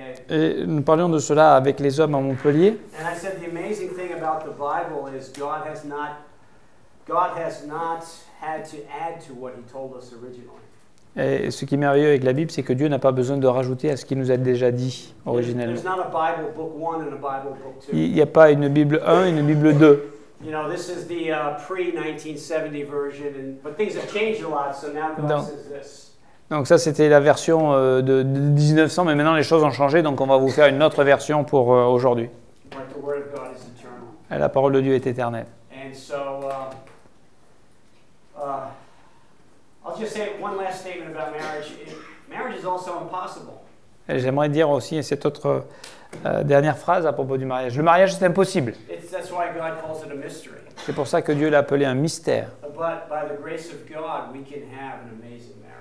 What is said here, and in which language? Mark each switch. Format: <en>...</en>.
<fr>Et nous parlions de cela avec les hommes à Montpellier.</fr> <en>And I said the amazing thing about the Bible is God has not had to add to what he told us originally.</en> <fr>Et ce qui est merveilleux avec la Bible, c'est que Dieu n'a pas besoin de rajouter à ce qu'il nous a déjà dit originellement.</fr> <en>There's not a Bible book 1 and a Bible book 2.</en> <fr>Il n'y a pas une Bible 1 et une Bible 2.</fr> <en>You know, this is the pre-1970 version and but things have changed a lot, so now God says this.</en> <fr>Donc ça, c'était la version de 1900, mais maintenant les choses ont changé, donc on va vous faire une autre version pour aujourd'hui.</fr> <en>But the word of God is eternal.</en> <fr>Et la parole de Dieu est éternelle.</fr> <en>And so, I'll just say one last statement about marriage. Marriage is also impossible.</en> <fr>Et j'aimerais dire aussi cette autre dernière phrase à propos du mariage. Le mariage, c'est impossible.</fr> <en>That's why God calls it a mystery.</en> <fr>C'est pour ça que Dieu l'a appelé un mystère.</fr> <en>But by the grace of God, we can have an amazing.</en>